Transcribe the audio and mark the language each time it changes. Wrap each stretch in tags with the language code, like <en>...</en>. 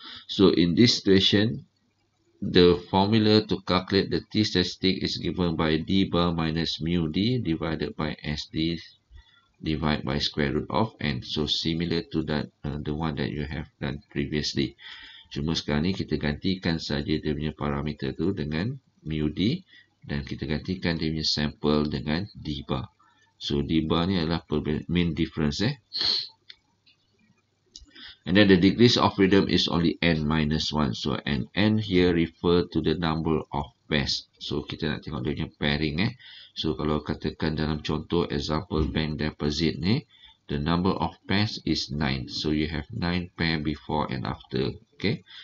<en>So in this situation, the formula to calculate the t-statistic is given by d bar minus mu d divided by sd divided by square root of, and so similar to that the one that you have done previously.</en> <ms>Cuma sekarang ni kita gantikan saja dia punya parameter tu dengan mu d dan kita gantikan dia punya sample dengan d bar. So d bar ni adalah mean difference eh.</ms> <en>And then the degrees of freedom is only n minus 1. So, and n here refer to the number of pairs.</en> <ms>So, kita nak tengok dia punya pairing eh. So, kalau katakan dalam contoh example bank deposit ni,</ms> <en>the number of pairs is 9. So, you have 9 pair before and after. Okay.</en>